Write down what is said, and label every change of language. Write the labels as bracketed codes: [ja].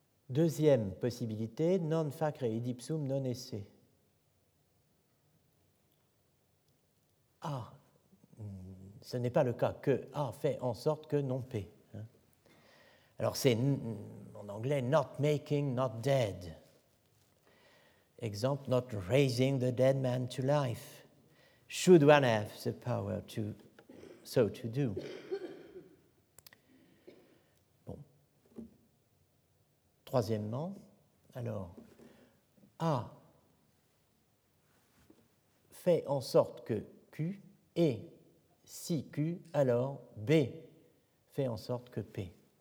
[fr] Deuxième possibilité, [la] non facere ipsum non esse. [fr] A. Ce n'est pas le cas que A fait en sorte que non P. Hein. Alors c'est en anglais [en] not making, not dead. Exemple, not raising the dead man to life. Should one have the power to so to do? [fr] Bon. Troisièmement, alors, A fait en sorte que Q est, si Q, alors B fait en sorte que P.